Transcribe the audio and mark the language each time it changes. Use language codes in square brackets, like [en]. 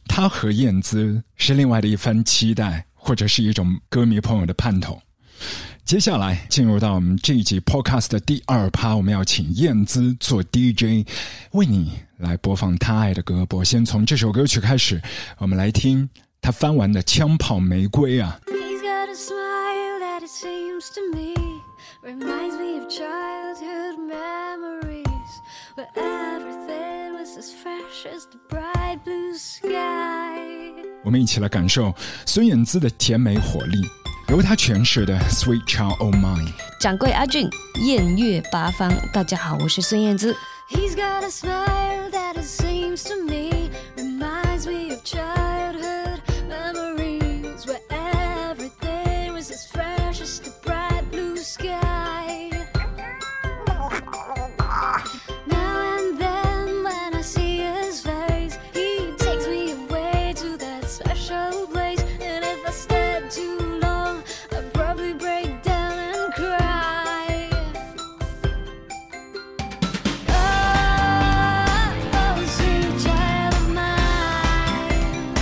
[zh] 他和燕姿是另外的一番期待，或者是一种歌迷朋友的盼头。接下来进入到我们这一集 podcast 的第二趴，我们要请燕姿做 DJ 为你来播放她爱的歌。我先从这首歌曲开始，我们来听她翻完的枪炮玫瑰啊。 [en] He's got a smile that it seems to me reminds me of childhood memories where everything was as fresh as the bright blue sky。 [zh] 我们一起来感受孙燕姿的甜美火力，由他诠释的 Sweet Child O' Mine。掌柜阿俊，艳月八方，大家好，我是孙燕姿。 [en] He's got a smile that it seems to me reminds me of childhood memories where everything was as fresh as the bright blue sky. Now and then when I see his face he takes me away to that special place and if I stayed toBreak down and cry. Oh, oh, sweet child of mine.